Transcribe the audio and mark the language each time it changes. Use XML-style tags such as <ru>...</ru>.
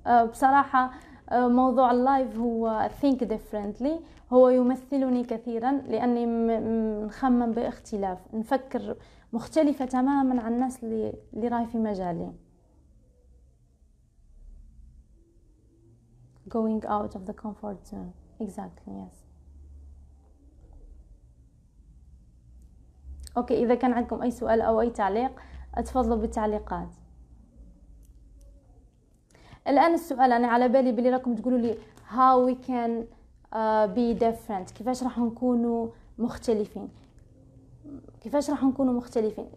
<ar>بصراحة موضوع اللايف هو</ar> <en>think differently،</en> <ar>هو يمثلني كثيرا لأني نخمم باختلاف، نفكر مختلفة تماما عن الناس اللي راي في مجالي.</ar> <en>going out of the comfort zone. exactly yes.</en> <ar>اوكي إذا كان عندكم أي سؤال أو أي تعليق اتفضلوا بالتعليقات. الآن السؤال، أنا على بالي بلي راكم تقولوا لي</ar> <en>how we can be different،</en> <ar>كيفاش راح نكونوا مختلفين، كيفاش راح نكونوا مختلفين.</ar>